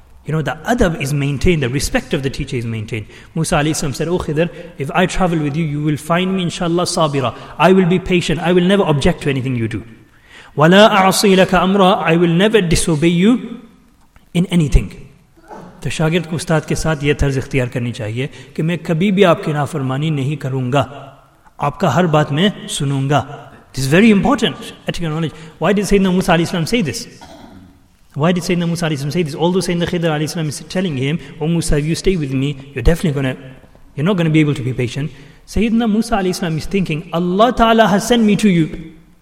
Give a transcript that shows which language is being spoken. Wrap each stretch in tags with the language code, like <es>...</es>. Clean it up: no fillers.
<en>You know, the adab is maintained, the respect of the teacher is maintained. Musa alayhi salam said, O Khidr, if I travel with you, you will find me, inshallah, sabira. I will be patient, I will never object to anything you do.</en> <ar>وَلَا أَعْصِي لَكَ أَمْرًا,</ar> <en>I will never disobey you in anything.</en> <ur>تو شاگرد کو استاد کے ساتھ یہ طرز اختیار کرنی چاہیے کہ میں کبھی بھی آپ کی نافرمانی نہیں کروں گا, آپ کا ہر بات میں سنوں گا.</ur> <en>This is very important, ethical knowledge. Why did Sayyidina Musa alayhi salam say this? Why did Sayyidina Musa alayhi salam say this? Although Sayyidina Khidr alayhi salam is telling him, Oh Musa, if you stay with me, you're not going to be able to be patient. Sayyidina Musa alayhi salam is thinking, Allah Ta'ala has sent me to you.</en>